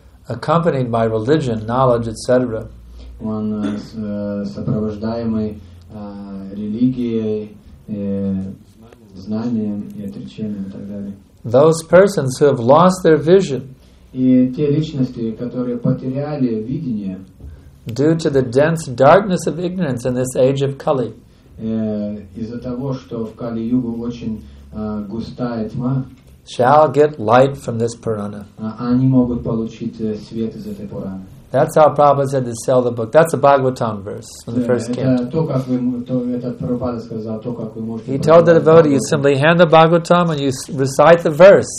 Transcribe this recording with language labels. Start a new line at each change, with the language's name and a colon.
English: Accompanied by religion, knowledge, etc.
Russian: Он сопровождаемый религией, знанием и отречением и так далее.
English: Those persons who have lost their vision.
Russian: И те личности, которые потеряли видение.
English: Due to the dense darkness of ignorance in this age of Kali.
Russian: Из-за того, что в Кали-югу очень густая тьма.
English: Shall get light from this Purana.
Russian: Они могут получить свет из этой Пураны.
English: That's how Prabhupada said to sell the book. That's a Bhagavatam verse from the first canto. He told the devotee, you simply hand the Bhagavatam and you recite the verse.